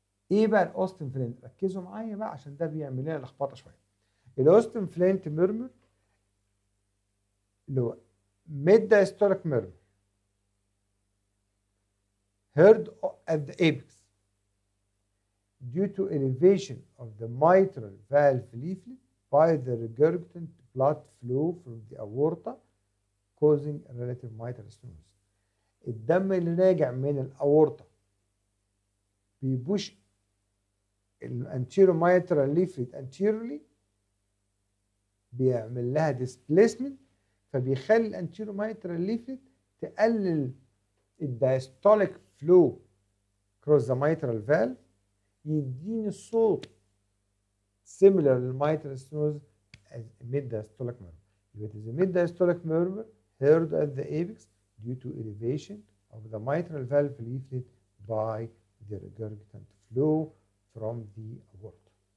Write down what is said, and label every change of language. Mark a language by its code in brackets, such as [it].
[ar] ايه بقى الاوستن فلينت؟ ركزوا معايا بقى عشان ده بيعمل لنا لخبطه شويه. [en] الاوستن Flint murmur [ar] اللي هو [en] Mid diastolic murmur heard at the apex due to elevation of the mitral valve leaflet by the regurgitant blood flow from the aorta, causing relative mitral stenosis. [ar] الدم اللي راجع من الأورطة بيبوش الانتيرو ميترال ليفليت انتيرولي بيعمل لها displacement فبيخلي الانتيرو ميترال ليفليت تقلل [en] الدايستوليك فلو كروز ذا ميترال فالف [ar] يديني صوت similar للميترال ستنوز [en] as mid diastolic murmur. It is a mid diastolic murmur heard at the apex due to elevation of the mitral valve leaflet by the regurgitant flow from the aorta.